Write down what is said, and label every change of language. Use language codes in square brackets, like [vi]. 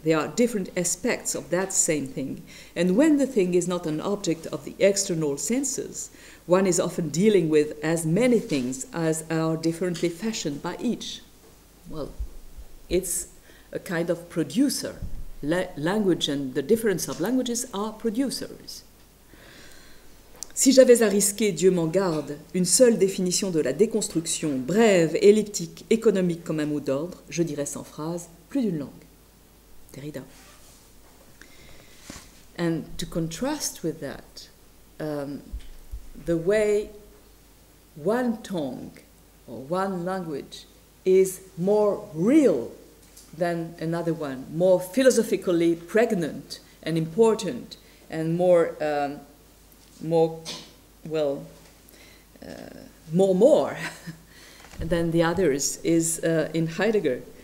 [en] There are different aspects of that same thing. And when the thing is not an object of the external senses, one is often dealing with as many things as are differently fashioned by each. Well, it's a kind of producer. Language and the difference of languages are producers. [fr] Si j'avais à risquer, Dieu m'en garde, une seule définition de la déconstruction, brève, elliptique, économique comme un mot d'ordre, je dirais sans phrase, plus d'une langue. [en] Derrida. And to contrast with that, the way one tongue or one language is more real than another one, more philosophically pregnant and important and more than the others is in Heidegger.